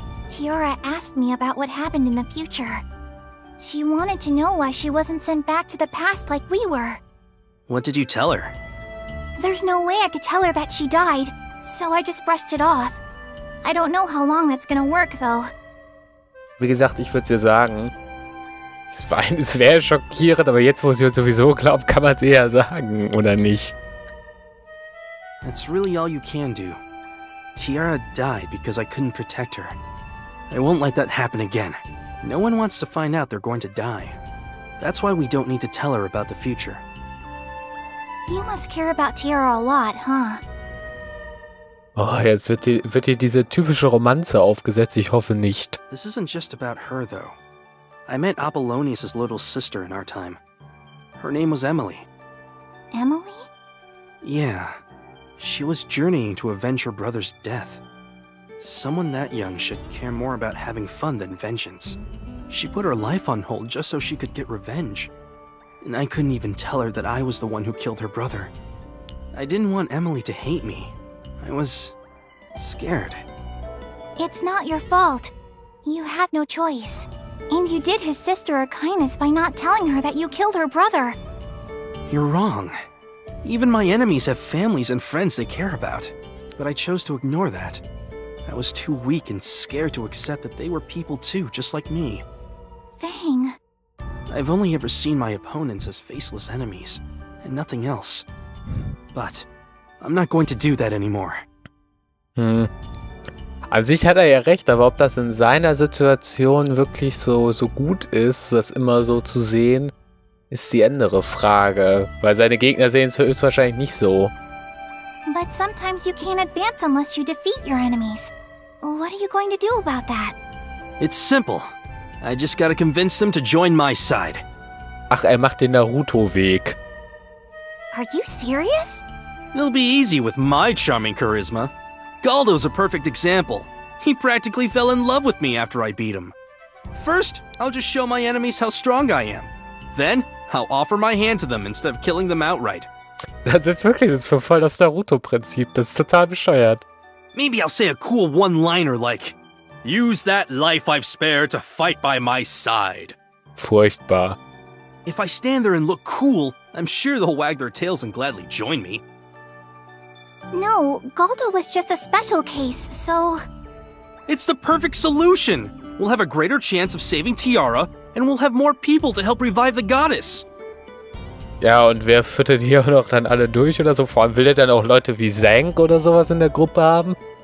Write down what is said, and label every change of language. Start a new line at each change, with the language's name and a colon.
English: Tiara asked me about what happened in the future. She wanted to know why she wasn't sent back to the past like we were. What did you tell her? There's no way I could tell her that she died, so I just brushed it off. I don't know how long that's gonna work, though.
German: Wie gesagt, ich würde dir sagen, es wäre schockierend, aber jetzt, wo sie uns sowieso glaubt, kann man es eher sagen, oder nicht?
English: That's really all you can do. Tiara died because I couldn't protect her. I won't let that happen again. No one wants to find out they're going to die. That's why we don't need to tell her about the future. You must care about Tiara a lot, huh?
German: Oh, jetzt wird hier diese typische Romanze aufgesetzt. Ich hoffe nicht.
English: This isn't just about her, though. I met Apollonius' little sister in our time. Her name was Emily. Emily? Yeah. She was journeying to avenge her brother's death. Someone that young should care more about having fun than vengeance. She put her life on hold just so she could get revenge. And I couldn't even tell her that I was the one who killed her brother. I didn't want Emily to hate me. I was scared. It's not your fault. You had no choice. And you did his sister a kindness by not telling her that you killed her brother. You're wrong. Even my enemies have families and friends they care about. But I chose to ignore that. I was too weak and scared to accept that they were people too, just like me. Fang. I've only ever seen my opponents as faceless enemies, and nothing else. But I'm not going to do that anymore.
German: An sich hat er ja recht, aber ob das in seiner Situation wirklich so gut ist, das immer so zu sehen, ist die andere Frage. Weil seine Gegner sehen es höchstwahrscheinlich nicht so.
English: But sometimes you can't advance unless you defeat your enemies. What are you going to do about that? It's simple. I just gotta convince them to join my side.
German: Ach, er macht den Naruto-Weg.
English: Are you serious? It'll be easy with my charming charisma. Galdo's a perfect example. He practically fell in love with me after I beat him. First, I'll just show my enemies how strong I am. Then, I'll offer my hand to them instead of killing them outright.
German: Das ist wirklich so voll das Naruto-Prinzip. Das ist total bescheuert.
English: Maybe I'll say a cool one-liner like, use that life I've spared to fight by my side.
German: Furchtbar.
English: If I stand there and look cool, I'm sure they'll wag their tails and gladly join me. No, Galdo was just a special case, so... It's the perfect solution! We'll have a greater chance of saving Tiara, and we'll have more people to help revive the goddess.
German: Ja, und wer füttert hier noch dann alle durch oder so? Vor allem, will er dann auch Leute wie Zank oder sowas in der Gruppe haben?